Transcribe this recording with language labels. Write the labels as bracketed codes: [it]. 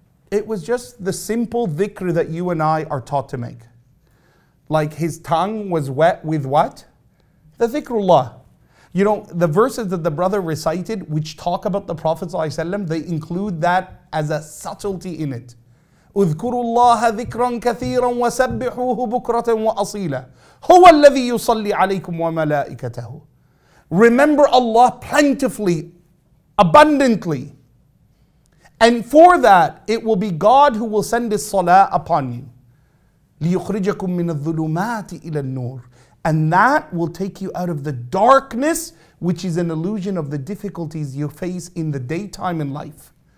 [en] It was just the simple dhikr that you and I are taught to make. Like his tongue was wet with what? The dhikrullah. You know, the verses that the brother recited, which talk about the Prophet ﷺ, they include that as a subtlety in it. [ar] اذكروا الله ذكرا كثيرا وسبحوه بكرة وأصيلا هو الذي يصلي عليكم وملائكته. [en] Remember Allah plentifully, abundantly. And for that, it will be God who will send His salah upon you. [ar] لِيُخْرِجَكُمْ مِنَ الظُّلُمَاتِ إِلَى النُّورِ. [en] And that will take you out of the darkness, which is an illusion of the difficulties you face in the daytime in life.